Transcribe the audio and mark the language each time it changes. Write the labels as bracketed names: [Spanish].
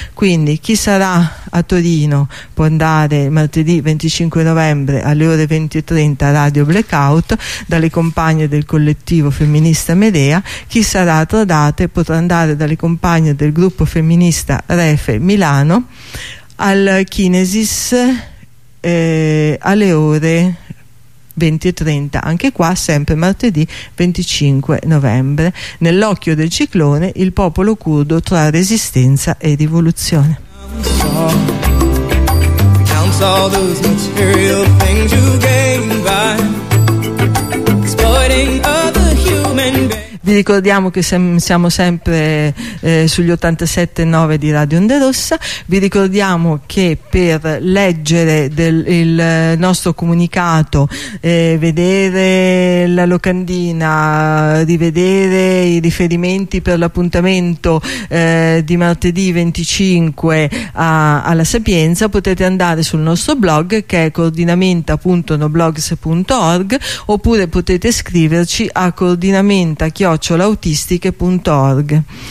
[Italian] Quindi chi sarà a Torino può andare martedì 25 novembre alle ore 20:30 a Radio Blackout dalle compagne del collettivo femminista Medea, chi sarà a Tradate potrà andare dalle compagne del gruppo femminista Refe Milano al Kinesis alle ore 20:30, anche qua sempre martedì 25 novembre, nell'occhio del ciclone, il popolo curdo tra resistenza e rivoluzione. [English] Counts all those material things you gain by exploiting other human beings. [Italian] Vi ricordiamo che siamo sempre sugli 87.9 di Radio Onda Rossa. Vi ricordiamo che per leggere il nostro comunicato, vedere la locandina, rivedere i riferimenti per l'appuntamento di martedì 25 alla Sapienza, potete andare sul nostro blog, che è coordinamenta.noblogs.org, oppure potete scriverci a coordinamenta@autistiche.org.